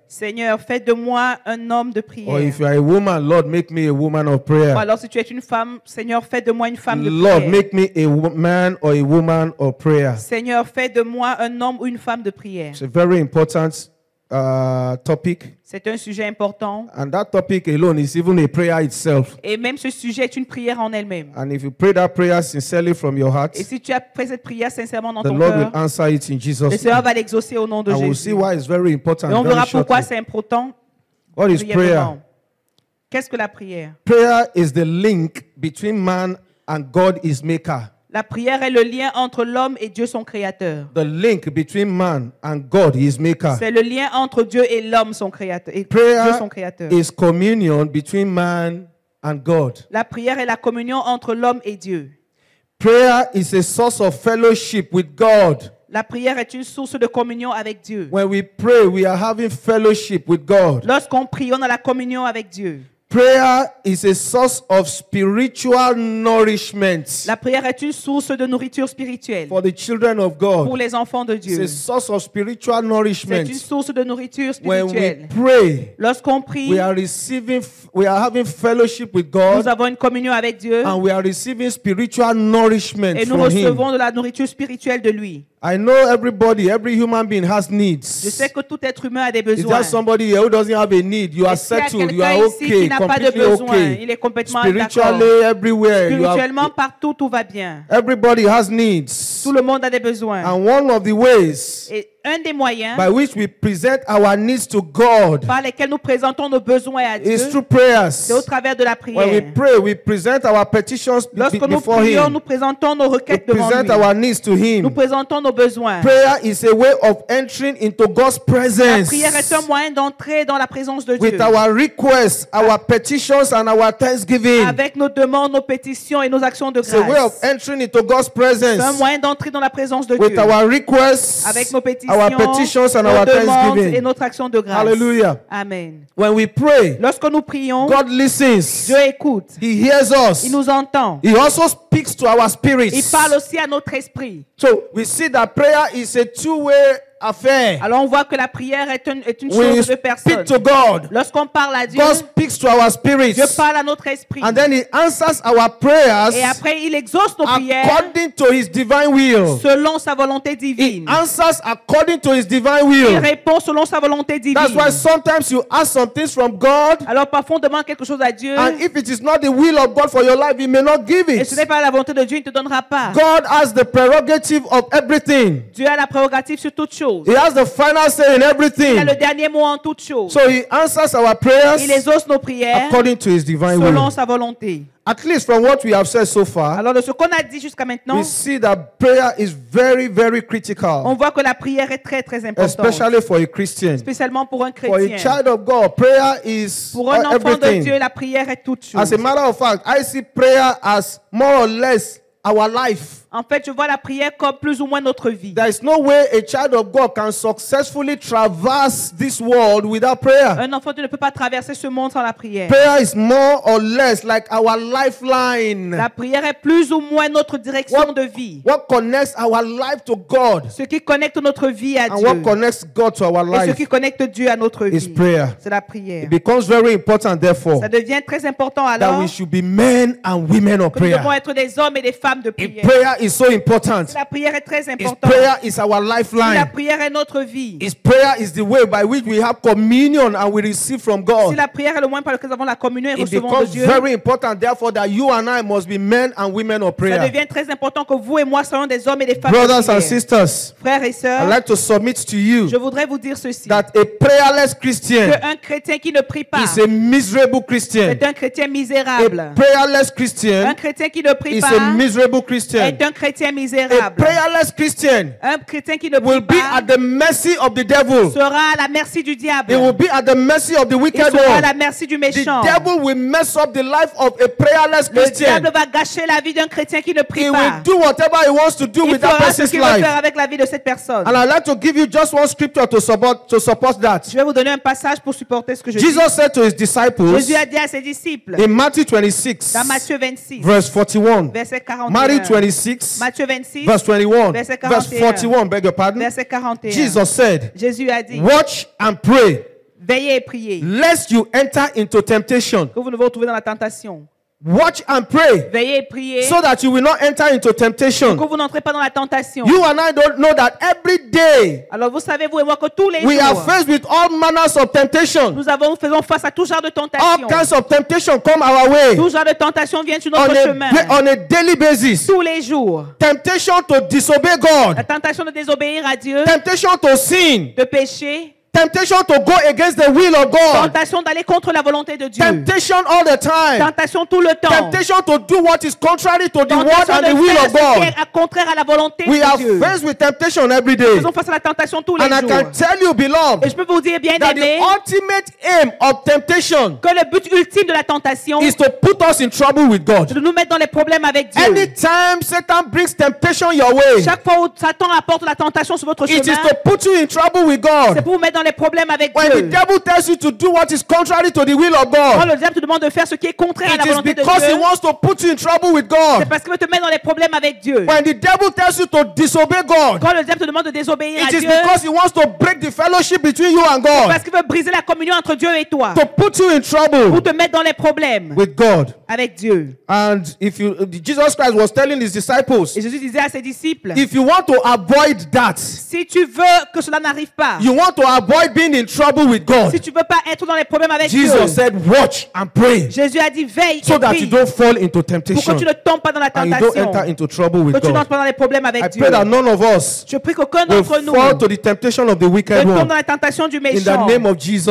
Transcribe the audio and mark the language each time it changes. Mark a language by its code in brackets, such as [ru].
[fr] Seigneur, fais de moi un homme de prière. [en] Or if you are a woman, Lord, make me a woman of prayer. [fr] Ou alors si tu es une femme, Seigneur, fais de moi une femme de prière. [en] Lord, make me a man or a woman of prayer. [fr] Seigneur, fais de moi un homme ou une femme de prière. [en] It's a very important topic. [fr] C'est un sujet important. [en] And that topic alone is even a prayer itself. [fr] Et même ce sujet est une prière en elle-même. [en] And if you pray that prayer sincerely from your heart, [fr] et si tu as prié cette prière sincèrement dans ton cœur, [en] the Lord will answer it in Jesus' name. [fr] Le Seigneur va l'exaucer au nom de Jésus. [en] And we'll see why it's very important. [fr] Et on verra pourquoi c'est important. [en] What is prayer? [fr] Qu'est-ce que la prière? [en] Prayer is the link between man and God, his maker. [fr] La prière est le lien entre l'homme et Dieu, son créateur. [en] The link between man and God, his maker. [fr] C'est le lien entre Dieu et l'homme, son créateur. Et [en] prayer [fr] Dieu, son créateur. [en] Is communion between man and God. [fr] La prière est la communion entre l'homme et Dieu. [en] Prayer is a source of fellowship with God. [fr] La prière est une source de communion avec Dieu. [en] When we pray, we are having fellowship with God. [fr] Lorsqu'on prie, on a la communion avec Dieu. [en] Prayer is a source of spiritual nourishment. [fr] La prière est une source de nourriture spirituelle. [en] For the children of God. [fr] Pour les enfants de Dieu. [en] It's a source of spiritual nourishment. [fr] C'est une source de nourriture spirituelle. [en] When we pray, [fr] lorsqu'on prie, [en] we are having fellowship with God. [fr] Nous avons une communion avec Dieu. [en] And we are receiving spiritual nourishment from Him. [fr] Et nous recevons de la nourriture spirituelle de Lui. [en] I know everybody, every human being has needs. [fr] Je sais que tout être humain a des besoins. [en] Is there somebody here who doesn't have a need? You are settled, you are okay, completely okay. [fr] Il est complètement [en] spiritually, [fr] d'accord. [en] Everywhere. [fr] Spirituellement, partout, tout va bien. [en] Everybody has needs. [fr] Tout le monde a des besoins. [en] And one of the ways [fr] un des moyens [en] by which we present our needs to God [fr] par lesquels nous présentons nos besoins à Dieu [en] is through prayers. [fr] C'est au travers de la prière. [en] When we pray, we present our petitions [fr] lorsque [en] before [fr] nous prions, [en] Him. [fr] Nous présentons nos requêtes [en] we present [fr] devant [en] our [fr] lui. [en] Needs to Him. [fr] Nous présentons nos besoins. [en] Prayer is a way of entering into God's presence. [fr] La prière est un moyen d'entrer dans la présence de Dieu. [en] With our requests, our petitions, and our thanksgiving. [fr] Avec nos demandes, nos pétitions et nos actions de grâce. [en] It's a way of entering into God's presence. [fr] C'est un moyen d'entrer dans la présence de [en] with [fr] Dieu. [en] With our requests, [fr] avec nos pétitions. [en] Our petitions and our thanksgiving. [fr] Et notre action de grâce. [en] Hallelujah. Amen. When we pray, [fr] lorsque nous prions, [en] God listens. [fr] Dieu écoute. [en] He hears us. [fr] Il nous entend. [en] He also speaks to our spirits. [fr] Il parle aussi à notre esprit. [en] So we see that prayer is a two-way affair. [fr] Alors on voit que la prière est une chose de personne. [en] Speak to God. [fr] Lorsqu'on parle à Dieu, [en] God speaks to our spirits. [fr] Dieu parle à notre esprit. [en] And then He answers our prayers. [fr] Et après il exauce nos prières. [en] According to His divine will. [fr] Selon sa volonté divine. [en] He answers according to His divine will. [fr] Il répond selon sa volonté divine. [en] That's why sometimes you ask some things from God. [fr] Alors parfois on demande quelque chose à Dieu. [en] And if it is not the will of God for your life, He may not give it. [fr] Et ce n'est pas la volonté de Dieu, il ne te donnera pas. [en] God has the prerogative of everything. [fr] Dieu a la prérogative sur toute chose. [en] He has the final say in everything. [fr] Il a le dernier mot en toute chose. [en] So He answers our prayers. [fr] Il exauce nos prières. [en] According to His divine [fr] selon [en] will. [fr] Selon sa volonté. [en] At least from what we have said so far. [fr] Alors de ce qu'on a dit jusqu'à maintenant. [en] We see that prayer is very, very critical. [fr] On voit que la prière est très, très importante. [en] Especially for a Christian. [fr] Spécialement pour un chrétien. [en] For a child of God, prayer is [fr] pour un enfant [en] everything. [fr] De Dieu, la prière est toute chose. [en] As a matter of fact, I see prayer as more or less our life. [fr] En fait, je vois la prière comme plus ou moins notre vie. [en] There is no way a child of God can successfully traverse this world without prayer. [fr] Un enfant ne peut pas traverser ce monde sans la prière. [en] Prayer is more or less like our lifeline. [fr] La prière est plus ou moins notre direction [en] what, [fr] de vie. [en] What connects our life to God? [fr] Ce qui connecte notre vie à [en] and [fr] Dieu. [en] And what connects God to our life? [fr] Et ce qui connecte Dieu à notre vie. [en] Is prayer. [fr] C'est la prière. [en] It becomes very important therefore. [fr] Ça devient très important alors. [en] That we should be men and women of prayer. [fr] Nous devons être des hommes et des femmes de prière. [en] If prayer is so important. [fr] La prière est très importante. [en] His prayer is our lifeline. [fr] Si la prière est notre vie. [en] His prayer is the way by which we have communion and we receive from God. [fr] Si la prière est le moyen par lequel nous avons la communion et [en] it [fr] recevons [en] becomes [fr] de Dieu. [en] Very important therefore that you and I must be men and women of prayer. [fr] Ça devient très important que vous et moi soyons des hommes et des femmes [en] brothers [fr] de prière. [en] And sisters, [fr] frères et sœurs, [en] I'd like to submit to you [fr] je voudrais vous dire ceci, [en] that a prayerless Christian [fr] que un chrétien qui ne prie pas [en] is a miserable Christian. [fr] C'est un chrétien misérable. [en] A prayerless Christian [fr] un chrétien qui ne prie [en] is [fr] pas [en] a miserable Christian. [fr] Est un chrétien misérable. [en] A prayerless Christian [fr] un chrétien qui ne prie [en] will be [fr] pas [en] at the mercy of the devil. [fr] Sera à la merci du diable. [en] He will be at the mercy of the wicked one. [fr] Il sera à la merci du méchant. [en] The devil will mess up the life of a prayerless Christian. [fr] Le diable va gâcher la vie d'un chrétien qui ne prie [en] he [fr] pas. [en] He will do whatever he wants to do [fr] il [en] with that person's life. [fr] Il fera ce qu'il veut faire avec la vie de cette personne. [en] And I'd like to give you just one scripture to support that. [fr] Je vais vous donner un passage pour supporter ce que je [en] Jesus [fr] dis. [en] Said to his disciples. [fr] Jésus a dit à ses disciples. [en] In Matthew 26. [fr] Dans Matthieu 26. [en] Verse 41. [fr] Verset 41. [en] Matthew 26. [fr] Matthieu 26, [en] verse 21, [fr] verset 41, [en] verse 41, beg your pardon, [fr] verset 41, [en] Jesus said, [fr] Jésus a dit, [en] watch and pray, [fr] Veillez et priez. [en] Lest you enter into temptation. [fr] Que vous ne vous retrouvez dans la tentation. [en] Watch and pray. [fr] Veillez et priez. [en] So that you will not enter into temptation. [fr] Que vous n'entrez pas dans la tentation. [en] You and I don't know that every day. [fr] Alors vous savez, vous et moi, que tous les [en] we [fr] jours, [en] are faced with all manners of temptation. [fr] Nous avons, faisons face à tout genre de tentation. [en] All kinds of temptation come our way. [fr] Tout genre de tentation vient sur notre chemin. [en] On a daily basis. [fr] Tous les jours. [en] Temptation to disobey God. [fr] La tentation de désobéir à Dieu. [en] Temptation to sin. [fr] De pécher. [en] Temptation to go against the will of God. [fr] Tentation d'aller contre la volonté de Dieu. [en] Temptation all the time. [fr] Tentation tout le temps. [en] Temptation to do what is contrary to the word and the will of God. [fr] Tentation de faire ce qui est contraire à la volonté de Dieu. [en] We are faced with temptation every day. [fr] Nous faisons face à la tentation tous les jours. [en] And I can tell you, beloved, [fr] et je peux vous dire, bien [en] aimé, that the ultimate aim of temptation, [fr] que le but ultime de la tentation, [en] is to put us in trouble with God. [fr] De nous mettre dans les problèmes avec Dieu. [en] Anytime Satan brings temptation your way, [fr] chaque fois où Satan apporte la tentation sur votre chemin, [en] it is to put you in trouble with God. [fr] C'est pour vous mettre les problèmes avec [en] when [fr] Dieu. [en] The devil tells you to do what is contrary to the will of God, [fr] quand le diable te demande de faire ce qui est contraire à la volonté de Dieu, [en] it is because he wants to put you in trouble with God. [fr] C'est parce qu'il veut te mettre dans les problèmes avec Dieu. [en] When the devil tells you to disobey God, [fr] quand le diable te demande de désobéir à Dieu, [en] it is because he wants to break the fellowship between you and God. [fr] C'est parce qu'il veut briser la communion entre Dieu et toi. [en] To put you in trouble, [fr] pour te mettre dans les problèmes [en] with God, [fr] avec Dieu. [en] And if you, Jesus Christ was telling his disciples, [fr] et Jésus disait à ses disciples, [en] if you want to avoid that, [fr] si tu veux que cela n'arrive pas, [en] you want to avoid being in trouble with God. [fr] Si tu veux pas être dans les problèmes avec [en] Jesus [fr] Dieu, [en] said, watch and pray. [fr] Jésus a dit veille [en] so [fr] et prie. [en] So that you don't fall into temptation. [fr] Pour que tu ne tombes pas dans la tentation. [en] And you don't enter into trouble with [fr] que [en] God. [fr] Que tu n'entres pas dans les problèmes avec [en] I I pray that none of us will fall to the temptation of the wicked one. [fr] Ne tombe dans la tentation du méchant. [en] In the name of Jesus.